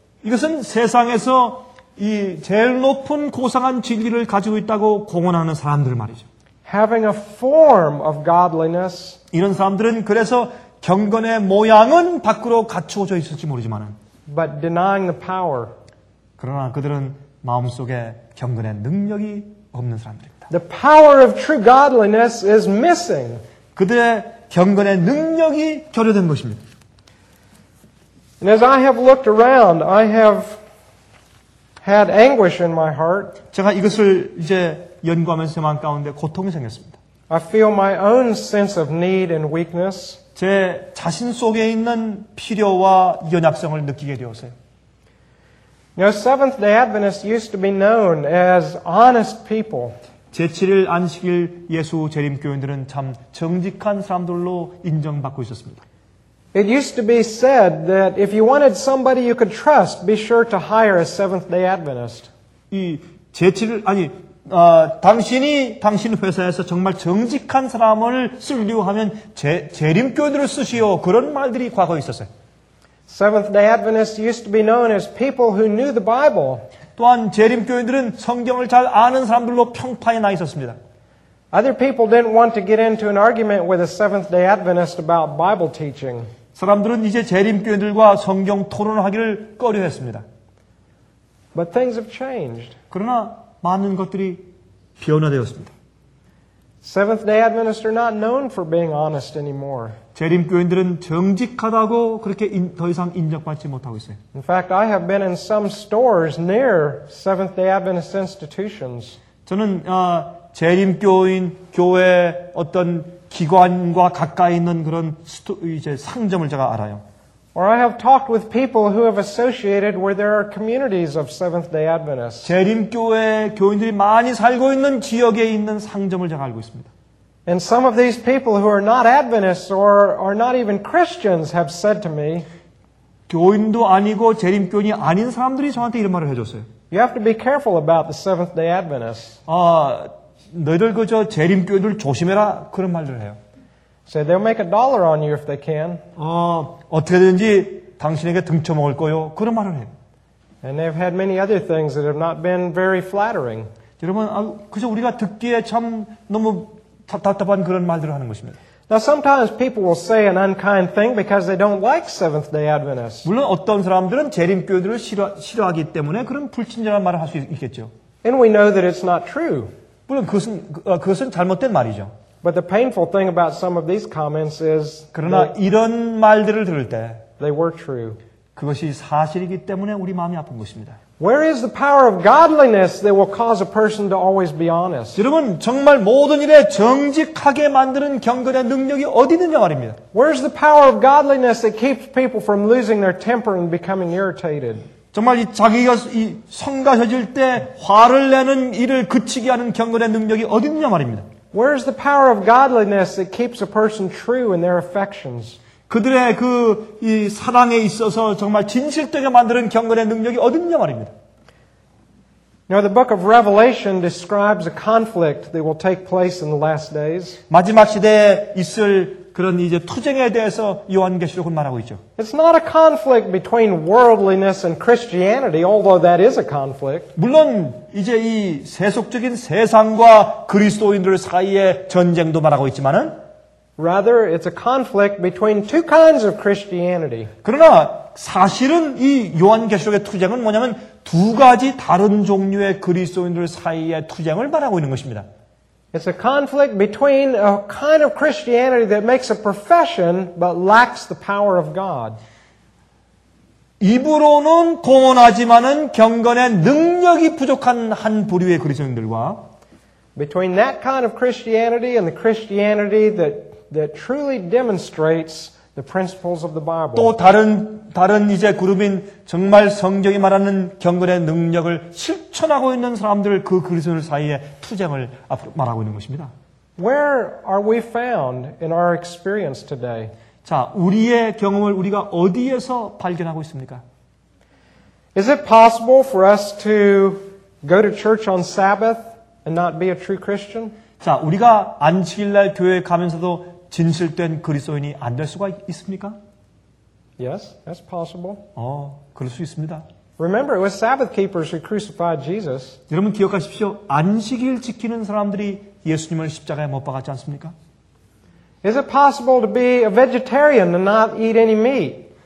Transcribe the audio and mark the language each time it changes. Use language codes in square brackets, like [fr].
[ko] 이것은 세상에서 이 제일 높은 고상한 진리를 가지고 있다고 공언하는 사람들 말이죠. [en] Having a form of godliness. [ko] 이런 사람들은 그래서 경건의 모양은 밖으로 갖추어져 있을지 모르지만은. [en] But denying the power. [ko] 그러나 그들은 마음속에 경건의 능력이 없는 사람들입니다. [en] The power of true godliness is missing. [ko] 그들의 경건의 능력이 결여된 것입니다. [en] And as I have looked around, I have had anguish in my heart. [ko] 제가 이것을 이제 연구하면서 마음 가운데 고통이 생겼습니다. [en] I feel my own sense of need and weakness. [ko] 제 자신 속에 있는 필요와 연약성을 느끼게 되었어요. [en] Now, Seventh-day Adventists used to be known as honest people. [ko] 제7일 안식일 예수 재림 교인들은 참 정직한 사람들로 인정받고 있었습니다. [en] It used to be said that if you wanted somebody you could trust, be sure to hire a Seventh-day Adventist. [ko] 이 제7일 아니 당신 회사에서 정말 정직한 사람을 쓰려고 하면 재림교인들을 쓰시오. 그런 말들이 과거에 있었어요. [en] Seventh-day Adventists used to be known as people who knew the Bible. [ko] 또한 재림교인들은 성경을 잘 아는 사람들로 평판이 나 있었습니다. [en] Other people didn't want to get into an argument with a Seventh-day Adventist about Bible teaching. [ko] 사람들은 이제 재림교인들과 성경 토론하기를 꺼려했습니다. [en] But things have changed. [ko] 그러나 많은 것들이 변화되었습니다. [en] Seventh-day Adventists are not known for being honest anymore. [ko] 재림교인들은 정직하다고 그렇게 더 이상 인정받지 못하고 있어요. [en] In fact, I have been in some stores near Seventh-day Adventist institutions. [ko] 저는 재림교인 교회 어떤 기관과 가까이 있는 그런 이제 상점을 제가 알아요. [en] Or I have talked with people who have associated where there are communities of Seventh-day Adventists. [ko] 재림교회 교인들이 많이 살고 있는 지역에 있는 상점을 제가 알고 있습니다. [en] And some of these people who are not Adventists or are not even Christians have said to me, [ko] 교인도 아니고 재림교인이 아닌 사람들이 저한테 이런 말을 해줬어요. [en] You have to be careful about the Seventh-day Adventists. [ko] 너희들 그저 재림교인들 조심해라 그런 말들을 해요. [en] So they'll make a dollar on you if they can. [ko] 어떻게든지 당신에게 등쳐먹을 거요 그런 말을 해요. [en] And they've had many other things that have not been very flattering. [ko] 여러분, 그저 우리가 듣기에 참 너무 답답한 그런 말들을 하는 것입니다. [en] Now sometimes people will say an unkind thing because they don't like Seventh-day Adventists. [ko] 물론 어떤 사람들은 재림교인들을 싫어하기 때문에 그런 불친절한 말을 할 수 있겠죠. [en] And we know that it's not true. [ko] 물론 그것은 잘못된 말이죠. [en] But the painful thing about some of these comments is [ko] 그러나 이런 말들을 들을 때 [en] they were true. [ko] 그것이 사실이기 때문에 우리 마음이 아픈 것입니다. [en] Where is the power of godliness that will cause a person to always be honest? [ko] 여러분, 정말 모든 일에 정직하게 만드는 경건의 능력이 어디 있느냐 말입니다. [en] Where is the power of godliness that keeps people from losing their temper and becoming irritated? [ko] 정말 자기가 성가셔질 때 화를 내는 일을 그치게 하는 경건의 능력이 어디 있느냐 말입니다. [en] Where is the power of godliness that keeps a person true in their affections? [ko] 그들의 그 이 사랑에 있어서 정말 진실되게 만드는 경건의 능력이 어디 있냐 말입니다. [en] Now the book of Revelation describes a conflict that will take place in the last days. [ko] 마지막 시대에 있을 그런 이제 투쟁에 대해서 요한계시록은 말하고 있죠. [en] It's not a conflict between worldliness and Christianity, although that is a conflict. [ko] 물론 이제 이 세속적인 세상과 그리스도인들 사이의 전쟁도 말하고 있지만은 [en] Rather, it's a conflict between two kinds of Christianity. [ko] 그러나 사실은 이 요한계시록의 투쟁은 뭐냐면 두 가지 다른 종류의 그리스도인들 사이의 투쟁을 말하고 있는 것입니다. [en] It's a conflict between a kind of Christianity that makes a profession but lacks the power of God. [ko] 입으로는 공언하지만은 경건의 능력이 부족한 한 부류의 그리스도인들과 [en] between that kind of Christianity and the Christianity that truly demonstrates the principles of the Bible. [ko] 또 다른 이제 그룹인 정말 성경이 말하는 경건의 능력을 실천하고 있는 사람들 그 그리스도인들 사이에 투쟁을 말하고 있는 것입니다. [en] Where are we found in our experience today? [ko] 자, 우리의 경험을 우리가 어디에서 발견하고 있습니까? [en] Is it possible for us to go to church on Sabbath and not be a true Christian? [ko] 자, 우리가 안식일 날 교회에 가면서도 진실된 그리스도인이 안 될 수가 있습니까? [en] Yes, that's possible. [ko] 그럴 수 있습니다. [en] Remember, it was Sabbath keepers who crucified Jesus. [ko] 여러분 기억하십시오. 안식일 지키는 사람들이 예수님을 십자가에 못 박았지 않습니까? [en] Is it possible to be a vegetarian and not eat any meat?